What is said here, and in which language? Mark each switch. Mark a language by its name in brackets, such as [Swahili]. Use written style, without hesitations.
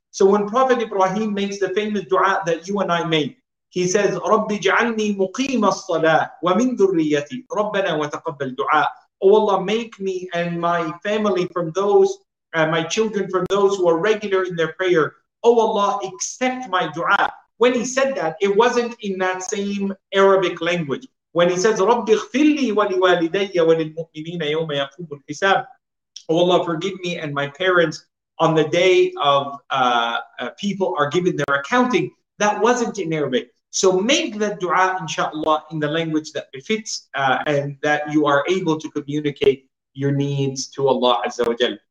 [English] So when Prophet Ibrahim makes the famous dua that you and I made, he says, [Arabic] رَبِّ جَعَلْنِي مُقِيمَ الصَّلَاةِ وَمِنْ ذُرِّيَّتِي رَبَّنَا وَتَقَبَّلْ دُعَاءِ. [English] Oh Allah, make me and my family from those, my children from those who are regular in their prayer. Oh Allah, accept my dua. When he said that, it wasn't in that same Arabic language. When he says, [Arabic] رَبِّ اغْفِرْ لِي وَلِوَالِدَيَّ وَلِلْمُؤْمِنِينَ يَوْمَ يَقُومُ الْحِسَابُ. [English] Oh Allah, forgive me and my parents on the day of people are given their accounting. That wasn't in Arabic. So make that dua, inshallah, in the language that befits and that you are able to communicate your needs to Allah Azza wa Jal.